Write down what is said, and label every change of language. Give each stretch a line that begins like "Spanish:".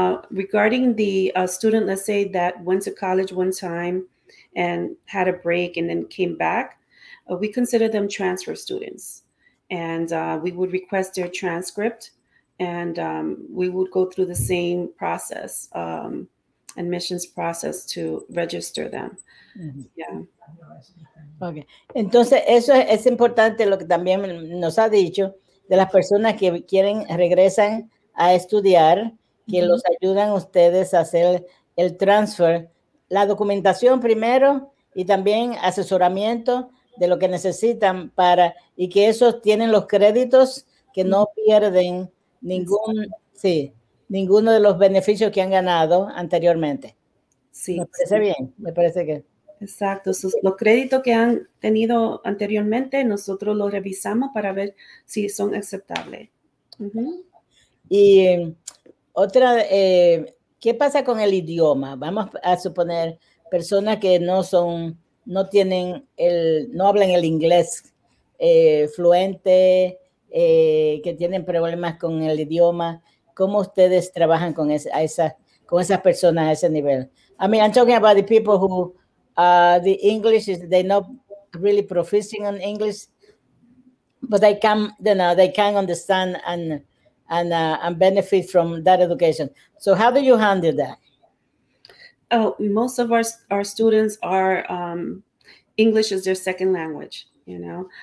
English: Regarding the student, let's say that went to college one time and had a break and then came back, we consider them transfer students. And we would request their transcript, and we would go through the same process, admissions process, to register them. Mm-hmm. Yeah. Okay.
Spanish: Entonces, eso es importante, lo que también nos ha dicho, de las personas que quieren regresan a estudiar, que los ayudan ustedes a hacer el transfer, la documentación primero y también asesoramiento de lo que necesitan para, y que esos tienen los créditos, que no pierden ningún, sí, ninguno de los beneficios que han ganado anteriormente. Sí. Me parece bien, me parece que. Exacto. Los créditos que han tenido anteriormente, nosotros los revisamos para ver si son aceptables. Y otra, ¿qué pasa con el idioma? Vamos a suponer personas que no hablan el inglés fluente, que tienen problemas con el idioma. ¿Cómo ustedes trabajan con esas personas a ese nivel?
English: I mean, I'm talking about the people who the English is they're not really proficient in English, but they can, you know, they can understand and benefit from that education. So how do you handle that? Oh, most of our students are English is their second language, you know.